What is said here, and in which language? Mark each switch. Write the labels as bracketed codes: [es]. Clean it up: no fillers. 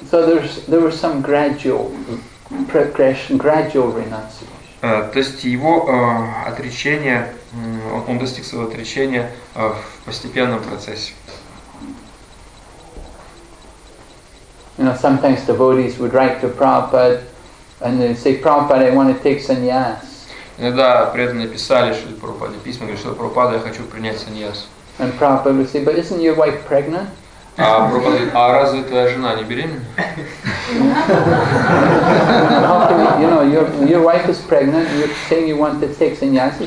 [en] So there was some gradual progression, gradual renunciation. [ru] То есть его отречение, он достиг своего отречения в постепенном процессе. [en] You know, sometimes devotees would write to Prabhupada. And they say, Prabhupada, I want to take sannyas. [ru] Иногда преданные писали Шриле Прабхупаде письма, говорили, что Прабхупада, я хочу принять сannyas. [en] And Prabhupada would say, but isn't your wife pregnant? [ru] А разве твоя жена не беременна? [en] How can you, you know, your wife is pregnant. You're saying you want to take sannyasa.